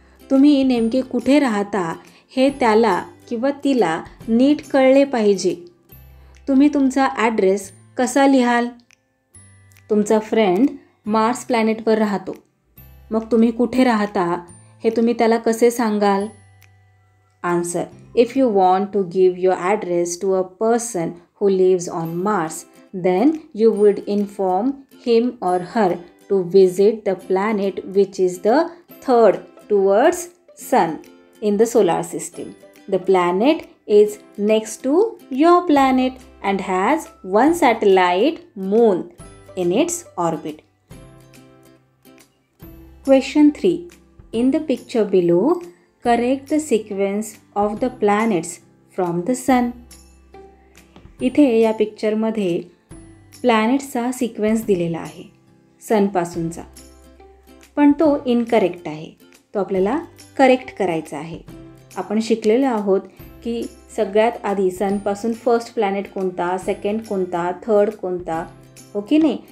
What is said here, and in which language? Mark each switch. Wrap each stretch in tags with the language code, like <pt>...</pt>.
<mr>तुम्ही नेमके कुठे राहता हे त्याला किंवा तिला नीट कळले पाहिजे. तुम्ही तुमचा ॲड्रेस कसा लिहाल? तुमचा फ्रेंड मार्स प्लॅनेटवर राहतो, मग तुम्ही कुठे राहता हे तुम्ही त्याला कसे सांगाल?</mr> <en>Answer, if you want to give your address to a person who lives on Mars, then you would inform him or her to visit the planet which is the third towards sun in the solar system. The planet is next to your planet and has one satellite, Moon, in its orbit. Question 3. In the picture below, correct the sequence of the planets from the Sun.</en> <mr>इथे या picture मध्ये planet चा sequence दिलेला आहे सन पासूनचा, पण तो incorrect आहे. तो आपल्याला करेक्ट करायचा आहे. आपण शिकलेलो आहोत की सगळ्यात आधी सन पासून फर्स्ट प्लॅनेट कोणता, सेकंड कोणता, थर्ड कोणता, ओके ने.</mr>